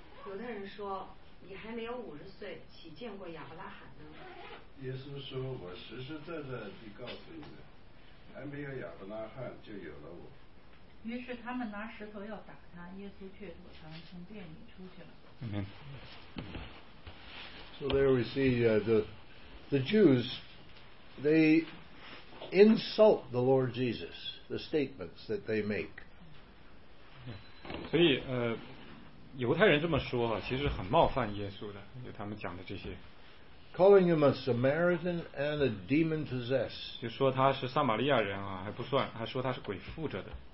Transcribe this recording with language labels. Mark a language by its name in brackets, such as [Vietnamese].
[Chinese] 有的人说，你还没有50岁，岂见过亚伯拉罕呢？耶稣说，我实实在在地告诉你们，还没有亚伯拉罕就有了我。于是他们拿石头要打他，耶稣却躲藏从殿里出去了。 [English] Amen. So there we see the Jews, they insult the Lord Jesus, the statements that they make. [Chinese] 所以犹太人这么说其实很冒犯耶稣的，他们讲的这些。 [English] Calling him a Samaritan and a demon possessed. [Chinese] 就说他是撒玛利亚人啊，还不算，还说他是鬼附着的。